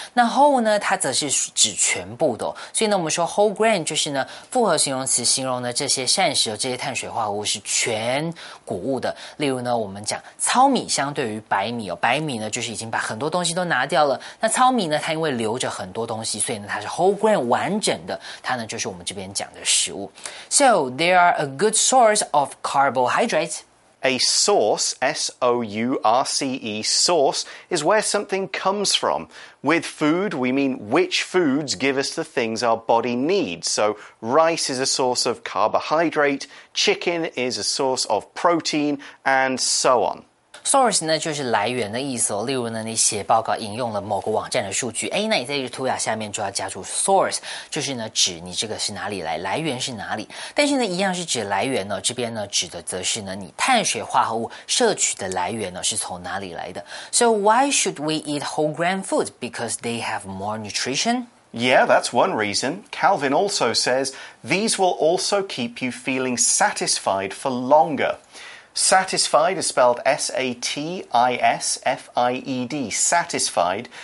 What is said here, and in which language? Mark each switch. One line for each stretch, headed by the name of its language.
Chinese: 那 whole 呢它则是指全部的、哦。所以呢我们说 whole grain 就是呢复合形容词形容呢这些膳食这些碳水化合物是全谷物的。例如呢我们讲糙米相对于白米、哦、白米呢就是已经把很多东西都拿掉了。那糙米呢它因为留着很多东西所以呢它是 whole grain 完整的。它呢就是我们这边讲的食物。
English: So, there are a good source of carbohydrates. A source, S-O-U-R-C-E, source, is where something comes from. With food, we mean which foods give us the things our body needs. So, rice is a source of carbohydrate, chicken is a source of protein, and so on.
Chinese: Source 呢就是来源的意思哦例如呢你写报告引用了某个网站的数据诶那你在这个图表下面就要加入 source, 就是呢指你这个是哪里来来源是哪里。但是呢一样是指来源呢这边呢指的则是呢你碳水化合物摄取的来源呢是从哪里来的。
English: So why should we eat whole grain food? Because they have more nutrition? Yeah, that's one reason. Calvin also says these will also keep you feeling satisfied for longer. Satisfied is spelled S-A-T-I-S-F-I-E-D, satisfied.